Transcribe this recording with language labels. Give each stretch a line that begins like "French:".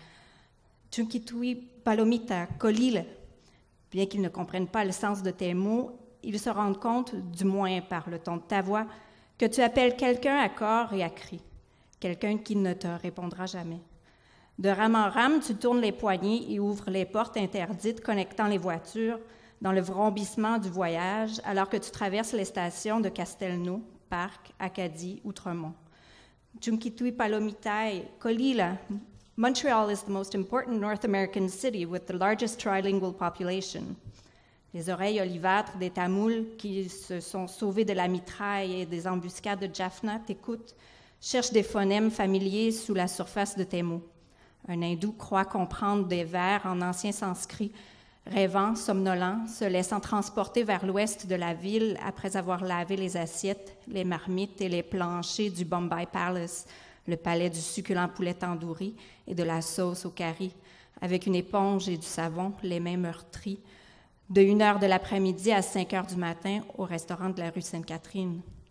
Quechua: « Chunkitui palomita kolile
French: » Bien qu'ils ne comprennent pas le sens de tes mots, ils se rendent compte, du moins par le ton de ta voix, que tu appelles quelqu'un à corps et à cri, quelqu'un qui ne te répondra jamais. De rame en rame, tu tournes les poignées et ouvres les portes interdites connectant les voitures dans le vrombissement du voyage alors que tu traverses les stations de Castelnau, Parc, Acadie, Outremont.
Quechua: Chunkitui palomitai kolila.
English: Montreal is the most important North American city with the largest trilingual population.
French: Les oreilles olivâtres des Tamouls qui se sont sauvés de la mitraille et des embuscades de Jaffna t'écoutent, cherchent des phonèmes familiers sous la surface de tes mots. Un hindou croit comprendre des vers en ancien sanskrit, rêvant, somnolent, se laissant transporter vers l'ouest de la ville après avoir lavé les assiettes, les marmites et les planchers du Bombay Palace, le palais du succulent poulet tandoori et de la sauce au curry, avec une éponge et du savon, les mains meurtries, de 1h de l'après-midi à 5h du matin au restaurant de la rue Sainte-Catherine.